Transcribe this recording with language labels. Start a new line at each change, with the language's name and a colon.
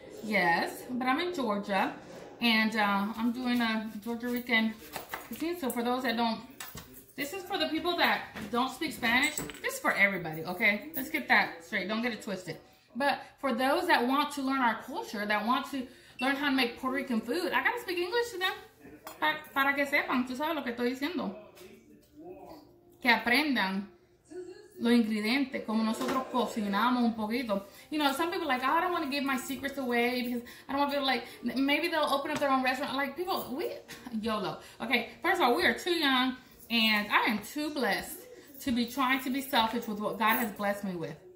English: Yes, but I'm in Georgia. And I'm doing a Georgia Rican cuisine. So for those that don't This is for the people that don't speak Spanish. This is for everybody, okay? Let's get that straight. Don't get it twisted. But for those that want to learn our culture, that want to learn how to make Puerto Rican food, I gotta speak English to them.
Spanish: Para que sepan, tú sabes lo que estoy diciendo. Que aprendan los ingredientes, como nosotros cocinamos un poquito.
English: You know, some people are like, oh, I don't want to give my secrets away because I don't want to be like, maybe they'll open up their own restaurant. Like, people, we, YOLO. Okay, first of all, we are too young, and I am too blessed to be trying to be selfish with what God has blessed me with.